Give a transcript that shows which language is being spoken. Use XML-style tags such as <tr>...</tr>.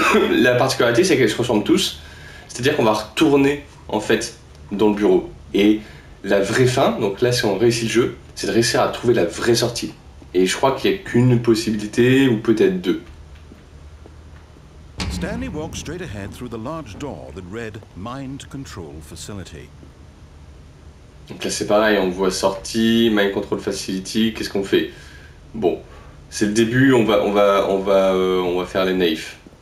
<fr>La particularité, c'est qu'elles se ressemblent tous, c'est-à-dire qu'on va retourner, en fait, dans le bureau. Et la vraie fin, donc là, si on réussit le jeu, c'est de réussir à trouver la vraie sortie. Et je crois qu'il n'y a qu'une possibilité, ou peut-être deux.</fr> <en>Stanley walked straight ahead through the large door that read Mind Control Facility.</en> <fr>Donc là c'est pareil, on voit sortie, Mind Control Facility, qu'est-ce qu'on fait? Bon, c'est le début, on va faire les naïfs.</fr>